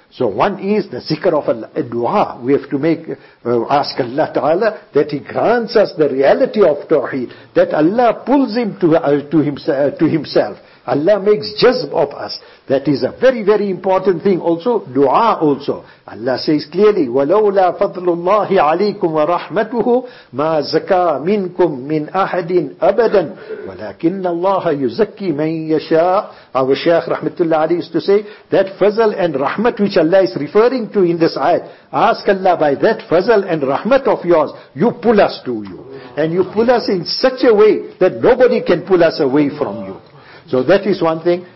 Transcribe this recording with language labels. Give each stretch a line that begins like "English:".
English: So one is the zikr of Allah, dua. We have to make, ask Allah Ta'ala that He grants us the reality of tawheed, that Allah pulls him to himself. Allah makes jazb of us. That is a very, very important thing also, dua also.
Arabic: Allah says clearly, وَلَوْلَا فَضْلُ اللَّهِ عَلَيْكُمْ وَرَحْمَتُهُ مَا زَكَى مِنْكُمْ مِنْ أَحَدٍ أَبَدًا وَلَكِنَّ اللَّهَ يُزَكِّي مَنْ يَشَاءُ.
English: Our Shaykh Rahmatullah Ali used to say, that fazl and rahmat which Allah is referring to in this ayat, ask Allah by that fazl and rahmat of yours, you pull us to you. And you pull us in such a way that nobody can pull us away from you. So that is one thing.